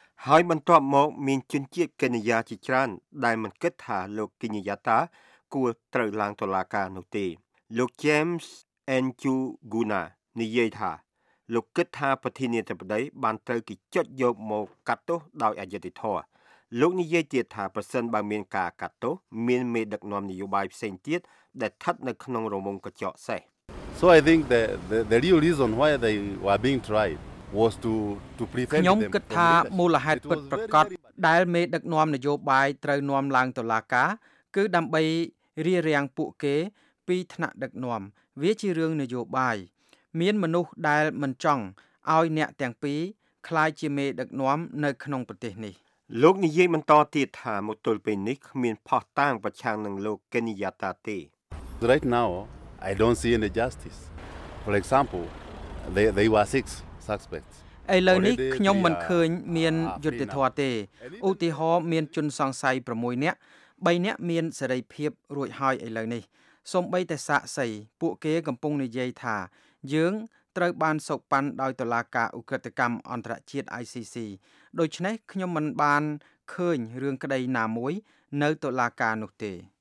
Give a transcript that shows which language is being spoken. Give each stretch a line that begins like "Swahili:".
Khmer: ហើយបន្ទាប់មកមានជនជាតិកេនយ៉ាជាច្រើនដែលមិនគិតថាលោកគីញយ៉ាតាគួរត្រូវឡើងតុលាការនោះទេលោក James Enchuguna និយាយថាលោកគិតថាប្រធានាធិបតីបានត្រូវគេចុចយកមកកាត់ទោសដោយអយុត្តិធម៌លោកនិយាយទៀតថាប្រសិនបើមានការកាត់ទោសមានមេដឹកនាំនយោបាយផ្សេងទៀតដែលស្ថិតនៅក្នុងរងកញ្ចក់សេះ
English: So I think the real reason why they were being tried was to prevent them
Khmer: ខ្ញុំគិតថាមូលហេតុពិតប្រាកដដែលមេដឹកនាំនយោបាយត្រូវនាំឡើងតុលាការគឺដើម្បីរារាំងពួកគេពីថ្នាក់ដឹកនាំវាជារឿងនយោបាយមានមនុស្សដែលមិនចង់ឲ្យអ្នកទាំងពីរក្លាយជាមេដឹកនាំនៅក្នុងប្រទេសនេះ លោកនិយាយបន្តទៀតថាមកទល់ពេលនេះគ្មានផុសតាងប្រឆាំងនឹងលោកកេនយ៉ាតាទេ
English: Right now I don't see any justice For example they were six suspects
Khmer: ឥឡូវនេះខ្ញុំមិនឃើញមានយុត្តិធម៌ទេឧទាហរណ៍មានជនសង្ស័យ6នាក់3នាក់មានសេរីភាពរួចហើយឥឡូវនេះសំបីតែសាក់សីពួកគេកំពុងនិយាយថាយើងត្រូវបានសូកប៉ាន់ដោយតុលាការឧក្រិដ្ឋកម្មអន្តរជាតិ ICC ដូច្នេះខ្ញុំមិនបានឃើញរឿងក្តីណាមួយនៅតុលាការនោះទេ